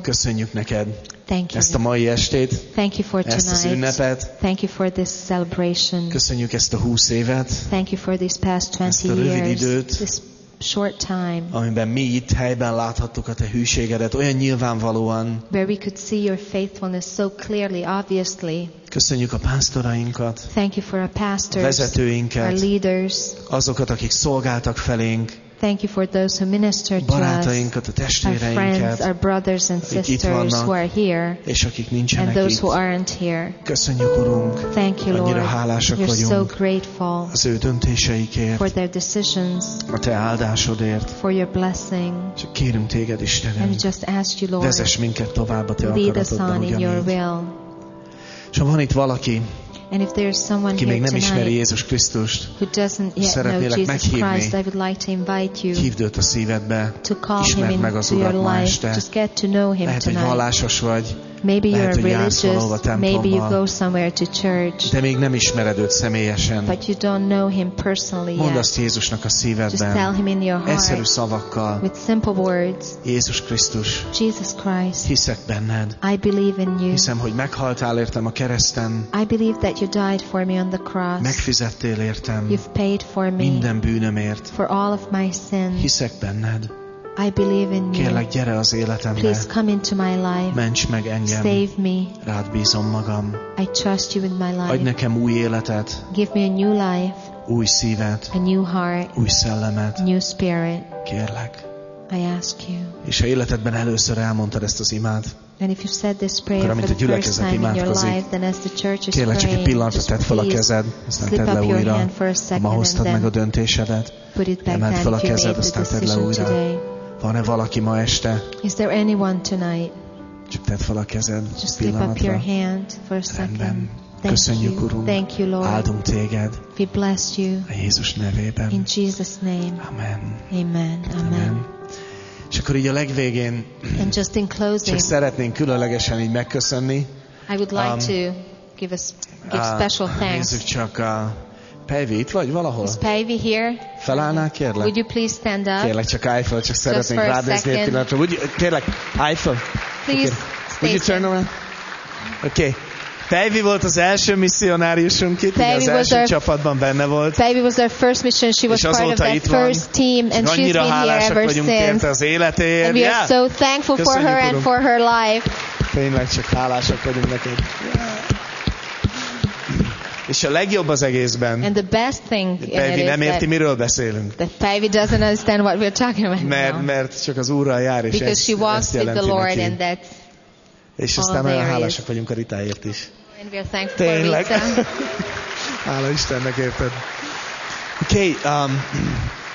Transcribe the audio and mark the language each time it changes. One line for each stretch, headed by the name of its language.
Hungarian: köszönjük neked
English: thank you.
Hungarian: Ezt a mai estét,
English: thank you for
Hungarian: ezt az ünnepet,
English: thank you for this celebration.
Hungarian: Köszönjük ezt a 20 évet,
English: thank you for these past 20
Hungarian: ezt a rövid
English: years,
Hungarian: időt,
English: short time,
Hungarian: amiben mi itt helyben láthattuk a te hűségedet olyan nyilvánvalóan,
English: where we could see your faithfulness so clearly, obviously.
Hungarian: Köszönjük a pásztorainkat,
English: thank you for our pastors,
Hungarian: a vezetőinket,
English: our leaders,
Hungarian: azokat, akik szolgáltak felénk,
English: thank you for those who ministered
Hungarian: barátainkat,
English: to us, our friends, our brothers and sisters
Hungarian: vannak,
English: who are here,
Hungarian: és akik nincsenek
English: and those
Hungarian: itt.
English: Who aren't here.
Hungarian: Köszönjük, Urunk,
English: thank you, Lord.
Hungarian: Annyira hálásak
English: you're
Hungarian: vagyunk
English: so grateful
Hungarian: az ő döntéseikért,
English: for their decisions,
Hungarian: a te áldásodért,
English: for your blessing.
Hungarian: És kérünk téged, Istenem,
English: and we just ask you, Lord,
Hungarian: vezess minket tovább a te akaratodban, ugyanígy. És ha van itt valaki,
English: and if there's someone
Hungarian: aki még nem ismeri Jézus Krisztust,
English: who doesn't yet know Jesus
Hungarian: meghívni,
English: Christ, I would like to invite you,
Hungarian: hívd őt a szívedbe,
English: to call him into
Hungarian: meg az
English: your
Hungarian: Urat
English: life,
Hungarian: este.
English: Just get to know him
Hungarian: lehet,
English: tonight.
Hungarian: Hogy vallásos vagy,
English: maybe
Hungarian: lehet,
English: you're religious,
Hungarian: jársz valahol a templomba,
English: maybe you go somewhere to church,
Hungarian: de még nem ismered őt személyesen,
English: but you don't know him personally yet.
Hungarian: Mondd azt Jézusnak a szívedben,
English: just tell him in your heart,
Hungarian: egyszerű szavakkal,
English: with simple words,
Hungarian: Jézus Krisztus,
English: Jesus Christ,
Hungarian: hiszek benned,
English: I believe in you,
Hungarian: hiszem, hogy meghaltál értem a kereszten,
English: I believe that you died for me on the cross,
Hungarian: megfizettél értem,
English: you've paid for me,
Hungarian: minden bűnömért,
English: for all of my sins,
Hungarian: hiszek benned,
English: I believe in you,
Hungarian: kérlek, gyere az életembe,
English: please come into my life,
Hungarian: ments meg engem,
English: save me,
Hungarian: rád bízom magam,
English: I trust you with my life,
Hungarian: adj nekem új életet,
English: give me a new life,
Hungarian: új szívet,
English: a new heart,
Hungarian: új szellemet,
English: new spirit,
Hungarian: kérlek,
English: I ask you,
Hungarian: és ha életedben először elmondtad ezt az imád,
English: and if you've said this prayer for the first time in your life, then as the church is
Hungarian: kérlek,
English: praying,
Hungarian: egy pillanatra tedd fel a kezed, aztán tedd le újra. Ha ma hoztad meg a döntésedet, emeld fel a kezed, aztán tedd le újra. Van-e valaki ma este?
English: Is there anyone tonight?
Hungarian: Csak tedd fel a kezed,
English: just slip up your hand for a second.
Hungarian: Rendben. Köszönjük, Urunk.
English: Thank you, Lord.
Hungarian: Áldunk téged.
English: We bless you.
Hungarian: A Jézus nevében.
English: In Jesus' name.
Hungarian: Amen.
English: Amen. Amen.
Hungarian: És akkor így a legvégén
English: closing,
Hungarian: csak szeretnénk különlegesen így megköszönni.
English: I would like to give special thanks.
Hungarian: Nézzük csak a Pevi, itt vagy valahol?
English: Is Pevi here?
Hungarian: Felállnál, kérlek?
English: Would you please stand up?
Hungarian: Kérlek, csak állj fel, csak szeretnénk rád nézni egy pillanatra. Kérlek, állj fel.
English: Please, okay. Would you turn around? Okay.
Hungarian: Pevi volt az első misszionáriusunk itt, az első csapatban benne volt.
English: Pevi was our first mission. She was part of that first team, and she's been here ever since.
Hungarian: Az életéért.
English: And we are so thankful for her and for her life.
Hungarian: Tényleg csak hálásak vagyunk neked. És a legjobb az egészben.
English: And the best thing
Hungarian: Pevi nem érti, miről beszélünk.
English: That Pevi doesn't understand what we're talking about.
Hungarian: Mert csak az Úrral jár, és
English: because she walks with the Lord, and that's
Hungarian: és aztán olyan hálásak vagyunk a Ritáért is. Tényleg. Hála Istennek, érted. Oké. Okay,